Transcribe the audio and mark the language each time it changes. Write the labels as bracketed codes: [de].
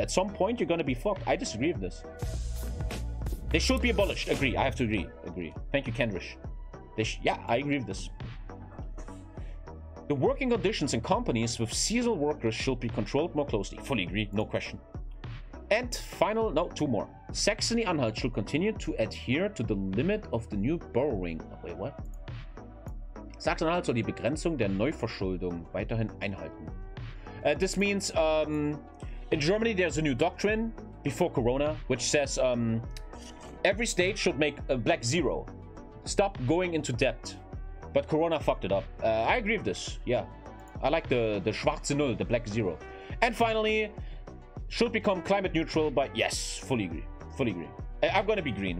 [en] At some point, you're gonna be fucked. I disagree with this. They should be abolished. Agree. I have to agree. Agree. Thank you, Kendrish. Yeah, I agree with this. The working conditions in companies with seasonal workers should be controlled more closely. Fully agree, no question. And final, no, two more. Saxony-Anhalt should continue to adhere to the limit of the new borrowing. Wait, what? [de] Saxony-Anhalt soll die Begrenzung der Neuverschuldung weiterhin einhalten. [en] This means in Germany there's a new doctrine before Corona, which says every state should make a black zero. Stop going into debt. But Corona fucked it up. I agree with this. Yeah, I like the schwarze null, the black zero. And finally, should become climate neutral, but yes, fully agree. Fully agree. I'm gonna be green.